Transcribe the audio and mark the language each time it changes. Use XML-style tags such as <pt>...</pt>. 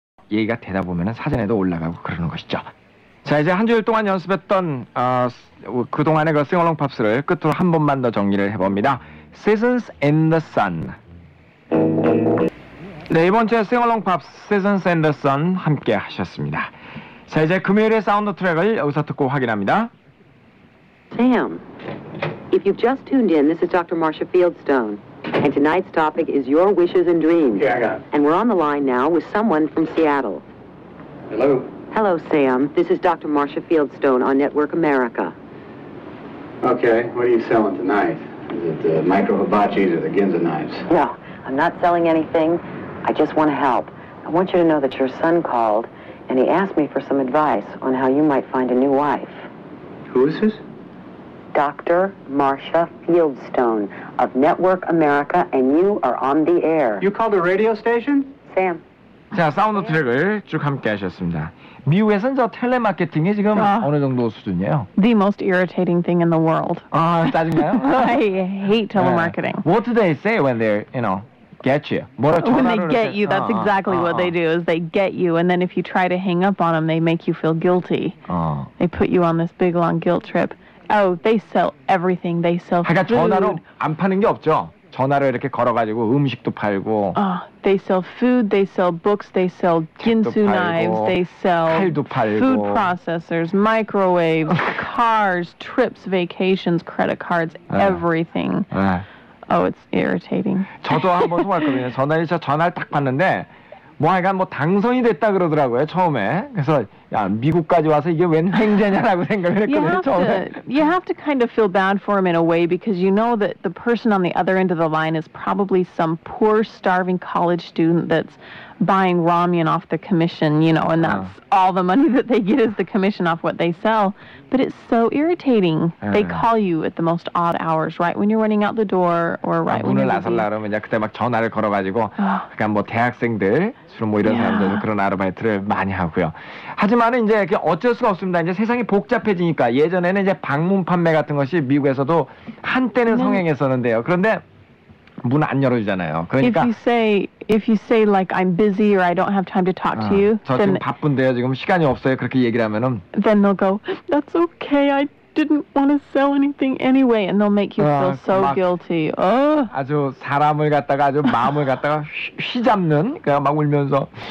<ko>얘기가 되다 보면은 사전에도 올라가고 그러는 것이죠. 자, 이제 한 주일 동안 연습했던 그동안의 그 싱어롱 팝스를 끝으로 한 번만 더 정리를 해봅니다.</ko> <en>Seasons in the Sun.</en> <ko>네, 이번 주에 싱어롱 팝스 Seasons in the Sun 함께 하셨습니다. 자, 이제 금요일의 사운드 트랙을 여기서 듣고 확인합니다.</ko> <en>Sam, if you've just tuned in, this is Dr. Marcia Fieldstone. And tonight's topic is your wishes and dreams. Yeah, I got it. And we're on the line now with someone from Seattle. Hello. Hello, Sam. This is Dr. Marcia Fieldstone on Network America. Okay, what are you selling tonight? Is it the micro hibachis or the Ginza knives? No, I'm not selling anything. I just want to help. I want you to know that your son called, and he asked me for some advice on how you might find a new wife. Who is this? Dr. Marcia Fieldstone of Network America, and you are on the air. You called a radio station? Sam,</en> <ko>자, 사운드 트랙을 쭉 함께 하셨습니다. 미국에서는 저 텔레마케팅이 지금 어느 정도 수준이에요?</ko> <en>The most irritating thing in the world.</en> <ko>아, 짜증나요?</ko> <en>I hate telemarketing.</en> <ko>네.</ko> <en>What do they say when they're, you know, get you? When they get you, that's exactly what they do, is they get you, and then if you try to hang up on them, they make you feel guilty. They put you on this big, long guilt trip. Oh, they sell everything. They sell food.</en> <ko>그러니까 전화로 안 파는 게 없죠? 전화를 이렇게 걸어가지고 음식도 팔고</ko> <en>They sell food, they sell books, they sell ginsu knives, they sell food processors, microwaves, cars, trips, vacations, credit cards, everything. Oh, it's irritating.</en> <ko>저도 한번 통화했거든요. 전화를 딱 받는데 뭐 하여간 뭐 당선이 됐다 그러더라고요, 처음에. 그래서 야, 미국까지 와서 이게 웬 횡재냐라고 생각을 했거든요,</ko> <en>You have to kind of feel bad for him in a way because you know that the person on the other end of the line is probably some poor starving college student that's buying ramen off the commission, you know, and that's all the money that they get is the commission off what they sell. But it's so irritating. They call you at the most odd hours, right when you're running out the door or right when you're leaving.</en> <ko>문을 나서려면 이제 그때 막 전화를 걸어가지고 그냥 뭐 대학생들, 주로 뭐 이런 사람들 그런 아르바이트를 많이 하고요. 하지만 이제 어쩔 수가 없습니다. 이제 세상이 복잡해지니까 예전에는 이제 방문 판매 같은 것이 미국에서도 한때는 성행했었는데요. 그런데 문 안 열어주잖아요. 그러니까</ko> <en>If you say like I'm busy or I don't have time to talk to you,</en> <ko>저 지금 바쁜데요. 지금 시간이 없어요. 그렇게 얘기를 하면은</ko> <en>Then they'll go, that's okay. I didn't want to sell anything anyway, and they'll make you feel so guilty.</en> <ko>아주 사람을 갖다가 아주 마음을 갖다가 휘잡는 그냥 막 울면서.</ko>